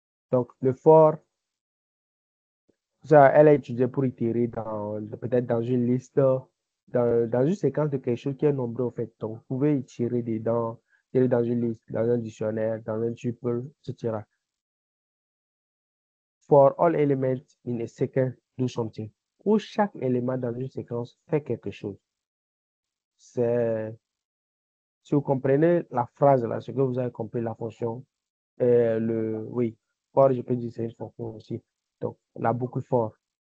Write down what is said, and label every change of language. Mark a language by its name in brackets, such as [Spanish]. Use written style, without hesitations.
[French] Donc, le for. Ça, elle est utilisée pour itérer peut-être dans une liste, dans une séquence de quelque chose qui est nombreux, en fait. Donc, vous pouvez itérer dedans, itérer dans une liste, dans un dictionnaire, dans un tuple, etc. [English] For all elements in a second, do something. [French] Où chaque élément dans une séquence fait quelque chose. Si vous comprenez la phrase là, ce que vous avez compris, la fonction, oui, for, je peux dire, c'est une fonction aussi. Donc, la boucle for.